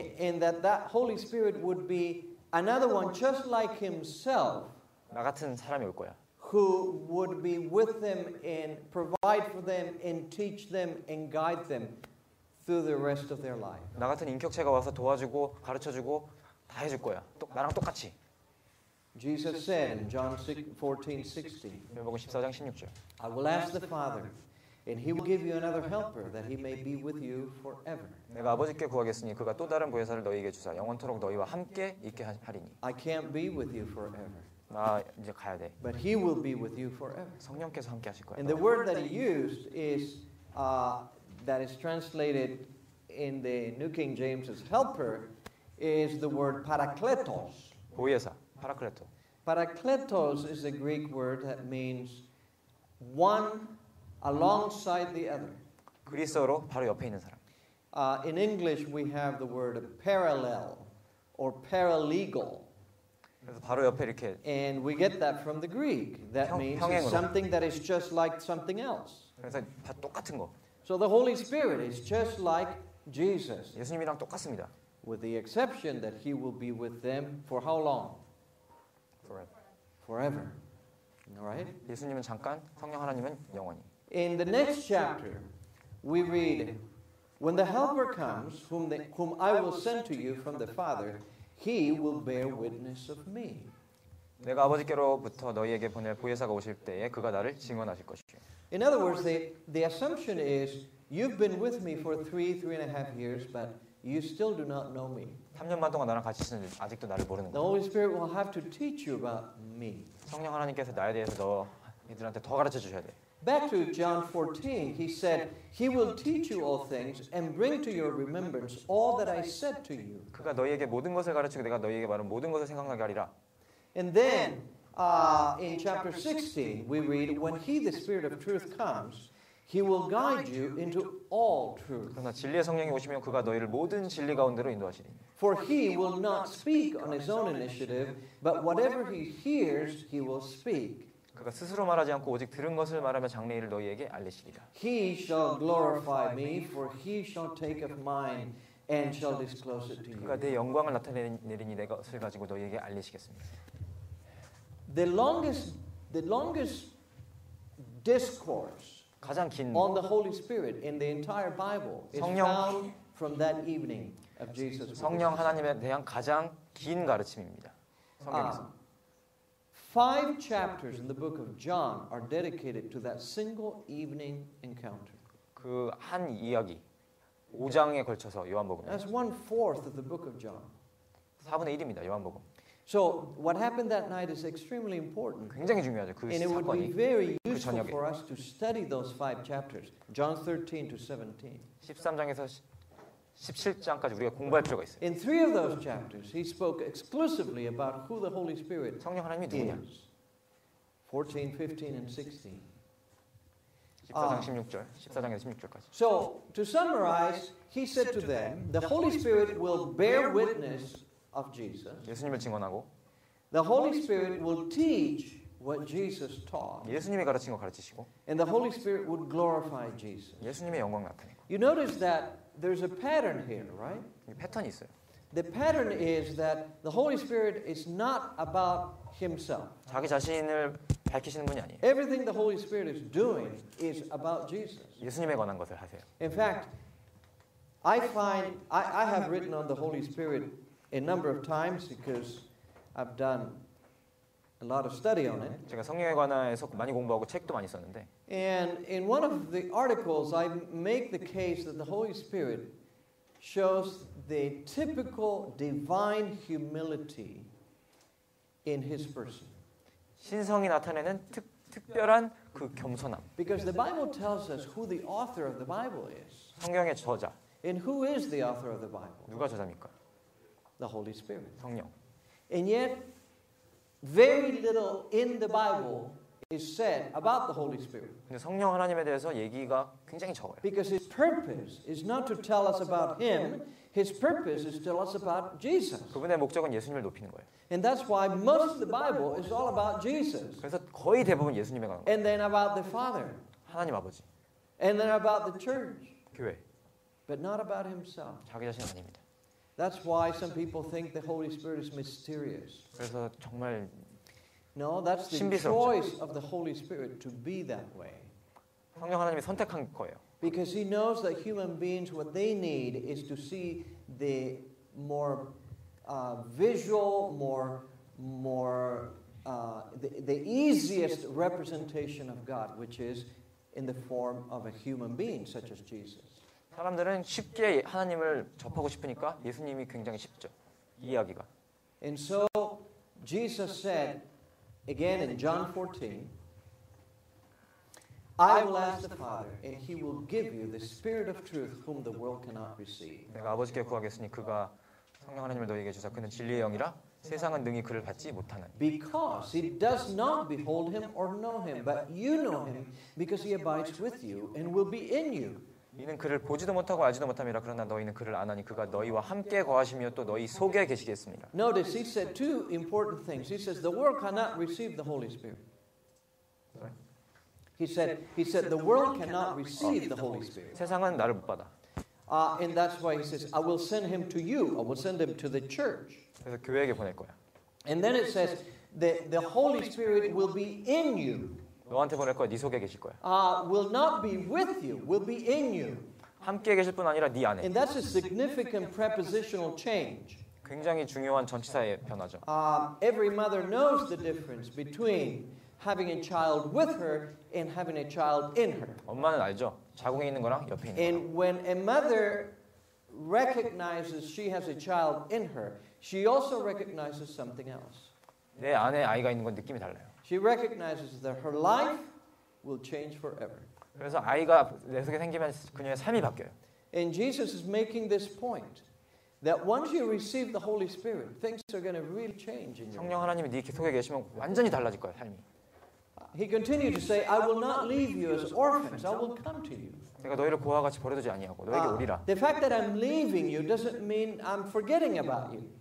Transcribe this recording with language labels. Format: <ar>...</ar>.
<en>And that that Holy Spirit would be another one just like himself.</en> <ko>나 같은 사람이 올 거야.</ko> <en>Who would be with them and provide for them and teach them and guide them through the rest of their life.</en> <ko>나 같은 인격체가 와서 도와주고 가르쳐주고 다 해줄 거야. 또 나랑 똑같이.</ko> <en>Jesus said in John 14:16.</en> <ko>요한복음 14장 16절.</ko> <en>I will ask the Father, and He will give you another Helper, that He may be with you forever.</en> <ko>내가 아버지께 구하겠으니 그가 또 다른 보혜사를 너희에게 주사 영원토록 너희와 함께 있게 하리니.</ko> <en>I can't be with you forever.</en> <ko>나 이제 가야 돼.</ko> <en>But He will be with you forever.</en> <ko>성령께서 함께 하실 거야.</ko> <en>And the word that He used is that is translated in the New King James's Helper is the word Parakletos.</en> <ko>보혜사. Paracleto.</ko> <en>Parakletos is a Greek word that means one alongside the other.</en> <ko>그리스어로 바로 옆에 있는 사람.</ko> <en>In English, we have the word parallel or paralegal.</en> <ko>그래서 바로 옆에 이렇게.</ko> <en>And we get that from the Greek. That</en> <ko>형,</ko> <en>means</en> <ko>형행으로.</ko> <en>Something that is just like something else.</en> <ko>그래서 다 똑같은 거.</ko> <en>So the Holy Spirit is just like Jesus.</en> <ko>예수님이랑 똑같습니다.</ko> <en>With the exception that He will be with them for how long? Forever. All right.</en> <ko>예수님은 잠깐, 성령 하나님은 영원히.</ko> <en>In the next chapter, we read, "When the Helper comes, whom I will send to you from the Father, He will bear witness of Me."</en> <ko>내가 아버지께로부터 너희에게 보낼 보혜사가 오실 때에 그가 나를 증언하실 것이요.</ko> <en>In other words, the assumption is you've been with me for three and a half years, but you still do not know me.</en> <ko>3년 반 동안 나랑 같이 있었는데 아직도 나를 모르는 거야.</ko> <en>The Holy Spirit will have to teach you about me.</en> <ko>성령 하나님께서 나에 대해서 너 애들한테 더 가르쳐 주셔야 돼.</ko> <en>Back to John 14, he said, "He will teach you all things and bring to your remembrance all that I said to you."</en> <ko>그가 너희에게 모든 것을 가르치고 내가 너희에게 말한 모든 것을 생각나게 하리라.</ko> <en>And then in chapter 16, we read, "When He, the Spirit of Truth, comes, He will guide you into all truth."</en> <ko>그러나 진리의 성령이 오시면 그가 너희를 모든 진리 가운데로 인도하시리.</ko> <en>For He will not speak on His own initiative, but whatever He hears, He will speak.</en> <ko>그가 스스로 말하지 않고 오직 들은 것을 말하며 장래일을 너희에게 알리시리라.</ko> <en>He shall glorify Me, for He shall take of Mine and shall disclose it to you.</en> <ko>그가 내 영광을 나타내리니 내 것을 가지고 너희에게 알리시겠습니다.</ko> <en>The longest discourse.</en> <ko>가장 긴</ko> <en>on the Holy Spirit in the entire Bible is</en> <ko>성령,</ko> <en>found from that evening of Jesus.</en> <ko>성령 하나님에 대한 가장 긴 가르침입니다.</ko> <en>5 chapters in the book of John are dedicated to that single evening encounter.</en> <ko>그 한 이야기 5장에 걸쳐서 요한복음.</ko> <en>That's 1/4 of the book of John.</en> <ko>4분의 1입니다. 요한복음.</ko> <en>So what happened that night is extremely important.</en> <ko>굉장히 중요하죠. 그</ko> <en>And it would be very useful for us to study those five chapters, John 13 to 17.</en> <ko>13장에서 17장까지 우리가 공부할 필요가 있어요.</ko> <en>In three of those chapters, he spoke exclusively about who the Holy Spirit is.</en> <ko>성령 하나님이 누구냐?</ko> <en>14, 15, and 16.</en> <ko>14장 16절, 14장에서 16절까지.</ko> <en>So to summarize, he said to them, "The Holy Spirit will bear witness." Of Jesus.</en> <ko>예수님을 증언하고</ko> <en>The Holy Spirit will teach what Jesus taught.</en> <ko>예수님이 가르친 거 가르치시고</ko> <en>And the Holy Spirit would glorify Jesus.</en> <ko>예수님의 영광 나타내고</ko> <en>You notice that there's a pattern here, right?</en> <ko>패턴이 있어요.</ko> <en>The pattern is that the Holy Spirit is not about himself.</en> <ko>자기 자신을 밝히시는 분이 아니에요.</ko> <en>Everything the Holy Spirit is doing is about Jesus.</en> <ko>예수님에 관한 것을 하세요.</ko> <en>In fact, I have written on the Holy Spirit a number of times because I've done a lot of study on it.</en> <ko>제가 성령에 관해서 많이 공부하고 책도 많이 썼는데.</ko> <en>And in one of the articles, I make the case that the Holy Spirit shows the typical divine humility in his person.</en> <ko>신성이 나타내는 특별한 그 겸손함.</ko> <en>Because the Bible tells us who the author of the Bible is.</en> <ko>성경의 저자.</ko> <en>And who is the author of the Bible?</en> <ko>누가 저자입니까?</ko> <en>The Holy Spirit.</en> <ko>성령.</ko> <en>And yet, very little in the Bible is said about the Holy Spirit.</en> <ko>근데 성령 하나님에 대해서 얘기가 굉장히 적어요.</ko> <en>Because his purpose is not to tell us about him. His purpose is to tell us about Jesus.</en> <ko>그분의 목적은 예수님을 높이는 거예요.</ko> <en>And that's why most of the Bible is all about Jesus.</en> <ko>그래서 거의 대부분 예수님에 관한 거예요.</ko> <en>And then about the Father.</en> <ko>하나님 아버지.</ko> <en>And then about the church.</en> <ko>교회.</ko> <en>But not about himself.</en> <ko>자기 자신 아닙니다.</ko> <en>That's why some people think the Holy Spirit is mysterious.</en> <ko>그래서 정말</ko> <en>No, that's the</en> <ko>신비스럽죠.</ko> <en>choice of the Holy Spirit to be that way.</en> <ko>성령 하나님이 선택한 거예요.</ko> <en>Because he knows that human beings, what they need is to see the more visual, the easiest representation of God, which is in the form of a human being, such as Jesus.</en> <ko>사람들은 쉽게 하나님을 접하고 싶으니까 예수님이 굉장히 쉽죠. 이야기가.</ko> <en>And so Jesus said, again in John 14, I will ask the Father, and he will give you the Spirit of truth whom the world cannot receive.</en> <ko>내가 아버지께 구하겠으니 그가 성령 하나님을 너희에게 주사 그는 진리의 영이라 세상은 능히 그를 받지 못하는.</ko> <en>Because he does not behold him or know him, but you know him because he abides with you and will be in you.</en> <ko>이는 그를 보지도 못하고 알지도 못함이라 그러나 너희는 그를 아나니 그가 너희와 함께 거하시며 또 너희 속에 계시겠습니다.</ko> <en>Notice he said two important things. He says the world cannot receive the Holy Spirit. He said the world cannot receive the Holy Spirit.</en> <ko>세상은 나를 못 받아.</ko> <en>And that's why he says I will send him to you. I will send him to the church.</en> <ko>그래서 교회에게 보낼 거야.</ko> <en>And then it says the Holy Spirit will be in you.</en> <ko>너한테 보낼 거야. 네 속에 계실 거야.</ko> <en>Will not be with you. Will be in you.</en> <ko>함께 계실 뿐 아니라 네 안에.</ko> <en>And that's a significant prepositional change.</en> <ko>굉장히 중요한 전치사의 변화죠.</ko> <en>Every mother knows the difference between having a child with her and having a child in her.</en> <ko>엄마는 알죠. 자궁에 있는 거랑 옆에 있는 거.</ko> <en>And when a mother recognizes she has a child in her, she also recognizes something else.</en> <ko>내 안에 아이가 있는 건 느낌이 달라요.</ko> <en>She recognizes that her life will change forever.</en> <ko>그래서 아이가 내 속에 생기면 그녀의 삶이 바뀌어요.</ko> <en>And Jesus is making this point that once you receive the Holy Spirit, things are going to really change in you.</en> <ko>성령 하나님이 네 속에 계시면 완전히 달라질 거야, 삶이.</ko> <en>He continued to say, I will not leave you as orphans. I will come to you.</en> <ko>내가 너희를 고아와 같이 버려두지 아니하고 너에게 오리라.</ko> <en>The fact that I'm leaving you doesn't mean I'm forgetting about you.</en>